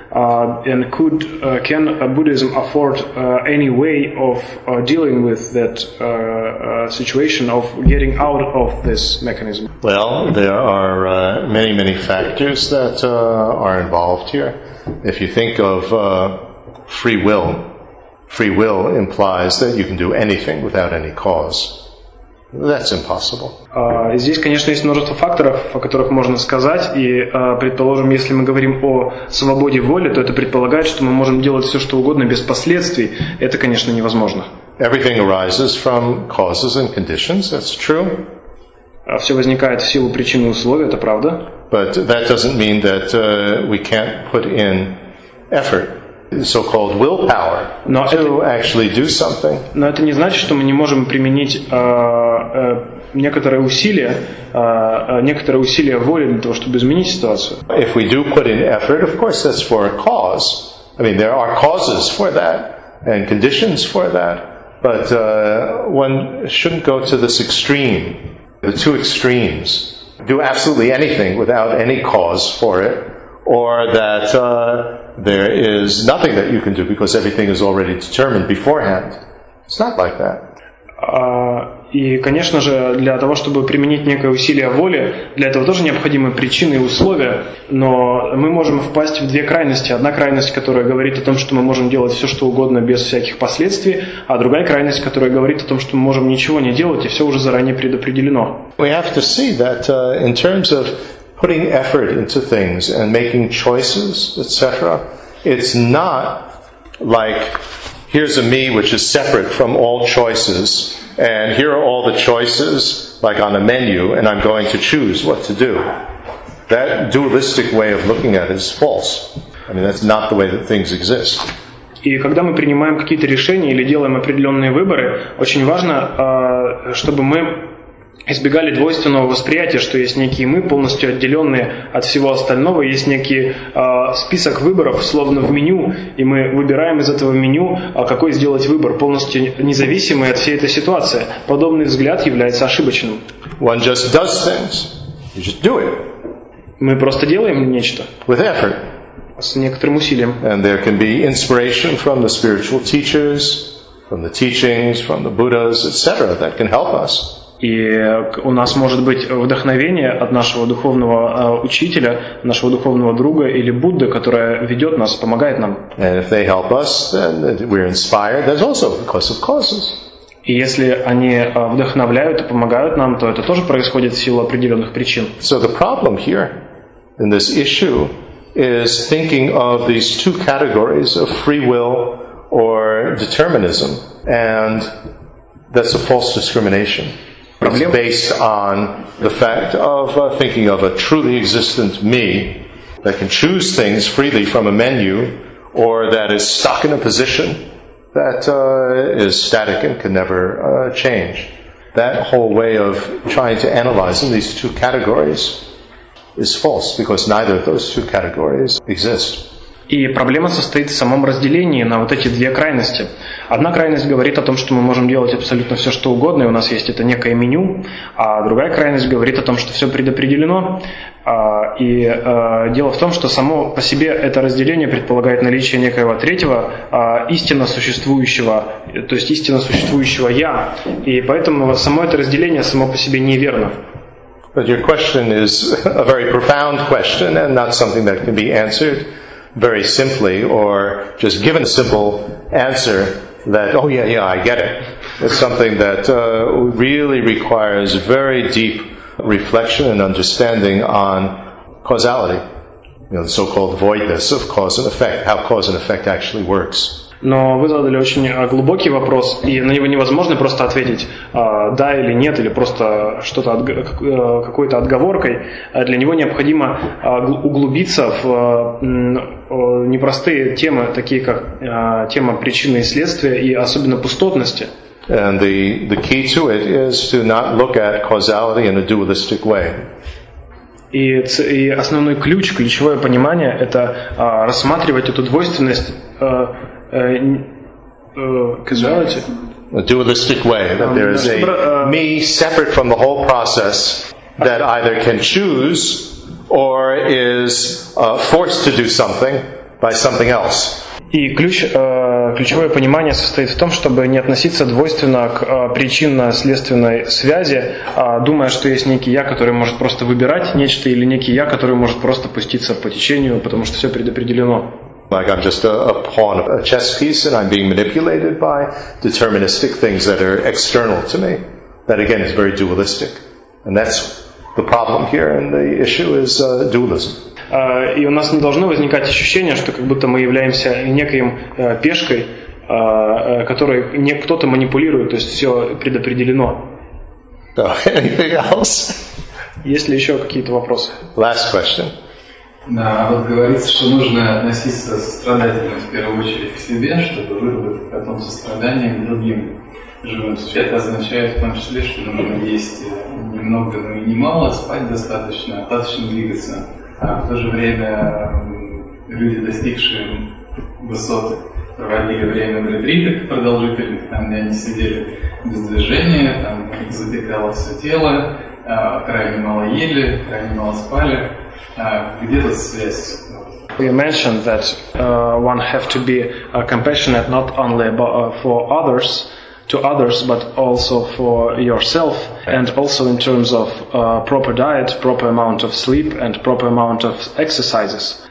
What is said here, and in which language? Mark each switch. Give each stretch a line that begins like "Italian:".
English: And could can Buddhism afford any way of dealing with that situation of getting out of this mechanism? Well, there are many, many factors that are involved here. If you think of free will implies that you can do anything without any cause. That's impossible.
Russian: Здесь, конечно, есть множество факторов, о которых можно сказать, и предположим, если мы говорим о свободе воли, то это предполагает, что мы можем делать все, что угодно, без последствий. Это, конечно, невозможно.
English: Everything arises from causes and conditions. That's true.
Russian: Все возникает в силу причин и условий. Это правда.
English: But that doesn't mean that we can't put in effort. So-called willpower to actually do something.
Russian: Но это не значит, что мы не можем применить некоторые усилия воли для того, чтобы изменить ситуацию.
English: If we do put in effort, of course, that's for a cause. I mean, there are causes for that and conditions for that, but one shouldn't go to this extreme, the two extremes, do absolutely anything without any cause for it, or that there is nothing that you can do because everything is already determined beforehand. It's not like that.
Russian: И, конечно же, для того, чтобы применить некое усилие воли, для этого тоже необходимы причины и условия, но мы можем впасть в две крайности. Одна крайность, которая говорит о том, что мы можем делать все, что угодно, без всяких последствий, а другая крайность, которая говорит о том, что мы можем ничего не делать, и все уже заранее предопределено.
English: We have to see that in terms of putting effort into things and making choices, etc. It's not like here's a me which is separate from all choices and here are all the choices like on a menu and I'm going to choose what to do. That dualistic way of looking at it is false. I mean, that's not the way that things exist.
Russian: И когда мы принимаем какие-то решения или делаем определенные выборы, очень важно, чтобы мы избегали двойственного восприятия, что есть некие мы, полностью отделенные от всего остального, есть некий список выборов, словно в меню, и мы выбираем из этого меню, какой сделать выбор, полностью независимый от всей этой ситуации. Подобный взгляд является ошибочным.
English: One just does things. You just do it.
Russian: Мы просто делаем нечто.
English: With effort.
Russian: С некоторым усилием.
English: And there can be inspiration from the spiritual teachers, from the teachings, from the Buddhas, etc. that can help us.
Russian: И у нас может быть вдохновение от нашего духовного учителя, нашего духовного друга или Будды, которая ведет нас, помогает нам.
English: And if they help us, then we're inspired. That's also because of causes.
Russian: И если они вдохновляют и помогают нам, то это тоже происходит в силу определенных причин.
English: So the problem here in this issue is thinking of these two categories of free will or determinism, and that's a false discrimination. It's based on the fact of thinking of a truly existent me that can choose things freely from a menu, or that is stuck in a position that is static and can never change. That whole way of trying to analyze in these two categories is false, because neither of those two categories exist.
Russian: И проблема состоит в самом разделении на вот эти две крайности. Одна крайность говорит о том, что мы можем делать абсолютно все, что угодно, и у нас есть это некое меню, а другая крайность говорит о том, что все предопределено. И дело в том, что само по себе это разделение предполагает наличие некоего третьего, истинно существующего, то есть истинно существующего «я». И поэтому само это разделение само по себе неверно.
English: But your question is a very profound question and not something that can be answered very simply, or just given a simple answer that, oh yeah, yeah, I get it. It's something that really requires very deep reflection and understanding on causality, you know, the so-called voidness of cause and effect, how cause and effect actually works.
Russian: Но вы задали очень глубокий вопрос, и на него невозможно просто ответить да или нет, или просто что-то какой-то отговоркой. Для него необходимо углубиться в непростые темы, такие как тема причины и следствия, и особенно пустотности.
English: And the key to it is to not look at causality in a dualistic way.
Russian: И основной ключ, ключевое понимание – это рассматривать эту двойственность
English: a dualistic way, that there is a me separate from the whole process that either can choose or is forced to do something by something else.
Russian: И ключевое понимание состоит в том, чтобы не относиться двойственно к причинно-следственной связи, думая, что есть некий я, который может просто выбирать нечто, или некий я, который может просто пуститься по течению, потому что все предопределено.
English: Like I'm just a pawn of a chess piece and I'm being manipulated by deterministic things that are external to me. That again is very dualistic. And that's the problem here, and the issue is dualism.
Russian: И у нас не должно возникать ощущение, что как будто мы являемся неким пешкой, которой не кто-то манипулирует, то есть все предопределено.
English: So, anything else?
Russian: Есть ли еще какие-то вопросы?
English: Last question.
Russian: Да, вот говорится, что нужно относиться сострадательно в первую очередь к себе, чтобы выработать потом сострадание к другим живым существам. Это означает в том числе, что нужно есть немного, но и немало, спать достаточно, достаточно двигаться. А в то же время люди, достигшие высот, проводили время в ретритах продолжительных, там, где они сидели без движения, там затекало все тело, крайне мало ели, крайне мало спали.
English: You mentioned that one have to be compassionate not only for others, to others, but also for yourself, and also in terms of proper diet, proper amount of sleep, and proper amount of exercises.